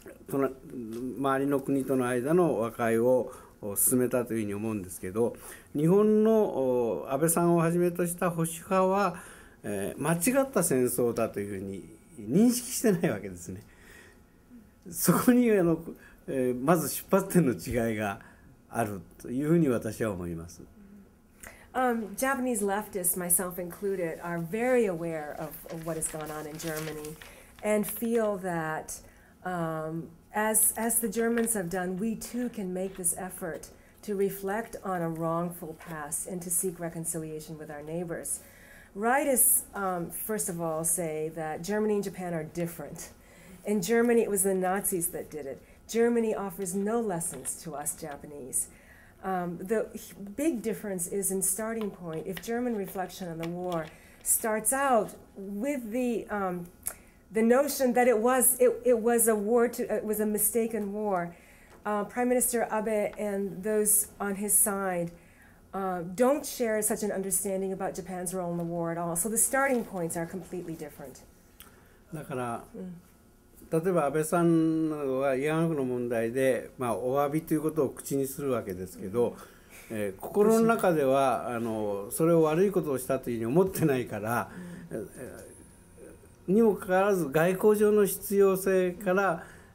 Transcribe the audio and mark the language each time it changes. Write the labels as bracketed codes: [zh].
[ja] 周りの国との間の和解を進めたというふうに思うんですけど、日本の安倍さんをはじめとした保守派は、間違った戦争だというふうに認識してないわけですね。そこにまず出発点の違いがあるというふうに私は思います。 [en] Japanese leftists, myself included, are very aware of what is going on in Germany and feel that, as the Germans have done, we too can make this effort to reflect on a wrongful past and to seek reconciliation with our neighbors. Rightists, first of all, say that Germany and Japan are different. In Germany, it was the Nazis that did it. Germany offers no lessons to us Japanese. The big difference is in starting point. If German reflection on the war starts out with the notion that it was a mistaken war, Prime Minister Abe and those on his side don't share such an understanding about Japan's role in the war at all. So the starting points are completely different. [ja] だから、例えば安倍さんは慰安婦の問題で、まあ、お詫びということを口にするわけですけど、心の中ではそれを悪いことをしたというふうに思ってないから、にもかかわらず外交上の必要性から、